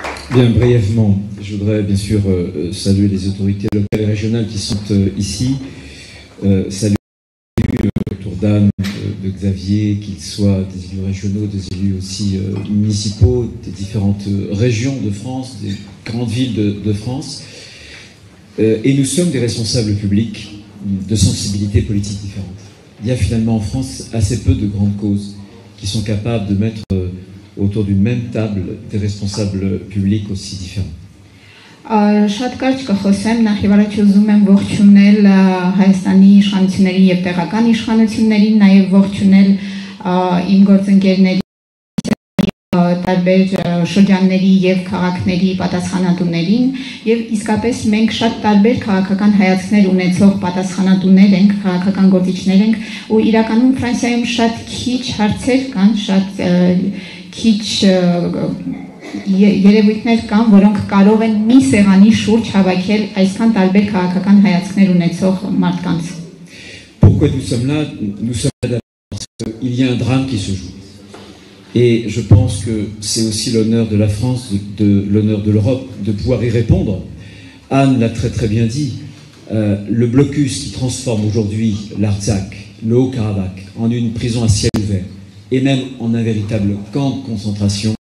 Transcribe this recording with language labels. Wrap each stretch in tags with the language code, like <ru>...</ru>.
<fr>Bien, brièvement, je voudrais bien sûr saluer les autorités locales et régionales qui sont ici, saluer le tour d'âme de Xavier, qu'ils soient des élus régionaux, des élus aussi municipaux, des différentes régions de France, des grandes villes de France. Et nous sommes des responsables publics de sensibilités politiques différentes. Il y a finalement en France assez peu de grandes causes qui sont capables de mettre... autour d'une même table des responsables publics aussi différents.</fr> <hy>Շատ կարճ կխոսեմ, նախև առաջ ուզում եմ ողջունել Հայաստանի իշխանությունների եւ տեղական իշխանությունների, նաեւ ողջունել իմ գործընկերների տարբեր շրջանների եւ քաղաքների պատասխանատուներին եւ իսկապես մենք շատ տարբեր քաղաքական հայացքներ ունեցող պատասխանատուներ ենք, քաղաքական գործիչներ ենք ու իրականում Ֆրանսիայում շատ քիչ հարցեր կան, շատ քիչ երևույթներ կան, որոնք կարող են մի սեղանի շուրջ հավաքել այսքան տարբեր քաղաքական հայացքներ ունեցող մարդկանց։</hy> <fr>Pourquoi nous sommes là? Nous sommes là parce qu'il y a un drame qui se joue. Et je pense que c'est aussi l'honneur de la France, de l'honneur de l'Europe, de pouvoir y répondre. Anne l'a très très bien dit, le blocus qui transforme aujourd'hui l'Artsakh, le Haut-Karabakh, en une prison à ciel ouvert, et même en un véritable camp de concentration,</fr>